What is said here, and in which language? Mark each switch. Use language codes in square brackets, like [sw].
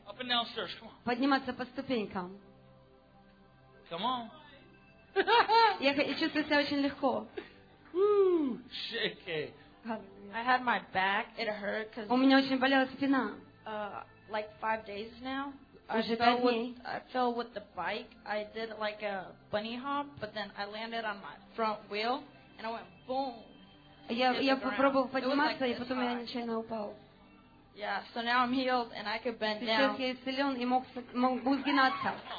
[en] Up and downstairs, come on. [ru] Подниматься по ступенькам. [en] Come on. [ru] Я чувствую себя очень легко. [en] Woo, shaky. I had my back, it hurt because. [ru] У меня очень болела спина. [en] Like 5 days now. [ru] Уже 5 дней. [en] I fell with the bike. I did like a bunny hop, but then I landed on my front wheel and I went boom. [ru] Я попробовал подниматься, и потом я нечаянно упал. [en] Yeah, so now I'm healed and I could bend down. [ru] Сейчас я исцелен и могу сгинаться.